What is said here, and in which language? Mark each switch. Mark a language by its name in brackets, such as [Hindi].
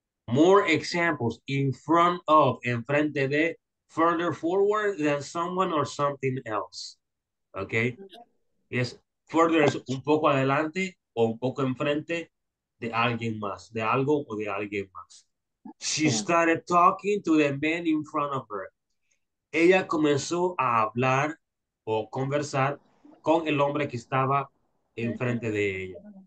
[English] More examples, in front of, enfrente de, further forward than someone or something else. Okay? [Spanish] Yes, further es un poco adelante o un poco enfrente de alguien más, de algo o de alguien más. [English] She started talking to the man in front of her. [Spanish] Ella comenzó a hablar o conversar con el hombre que estaba enfrente de ella.